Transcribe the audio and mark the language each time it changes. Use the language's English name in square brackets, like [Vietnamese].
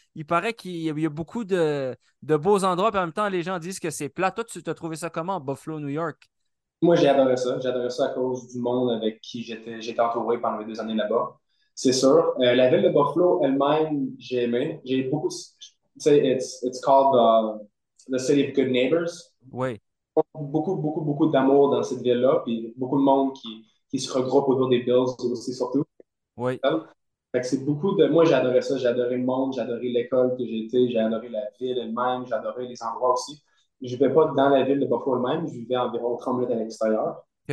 [French] Il paraît qu'il y a beaucoup de beaux endroits, puis en même temps, les gens disent que c'est plat. Toi, tu as trouvé ça comment, Buffalo, New York? Moi, j'ai adoré ça. J'ai adoré ça à cause du monde avec qui j'étais entouré pendant mes 2 années là-bas. C'est sûr. La ville de Buffalo elle-même, j'ai aimé. J'ai beaucoup. Tu sais, [English] it's called the City of Good Neighbors. [French] Oui. Beaucoup, beaucoup, beaucoup d'amour dans cette ville-là. Puis beaucoup de monde qui se regroupe autour des Bills aussi, surtout. Oui. Fait que c'est beaucoup de. Moi, j'ai adoré ça. J'ai adoré le monde. J'ai adoré l'école que j'ai été. J'ai adoré la ville elle-même. J'ai adoré les endroits aussi. Je ne vivais pas dans la ville de Buffalo même, je vivais environ 30 minutes à l'extérieur.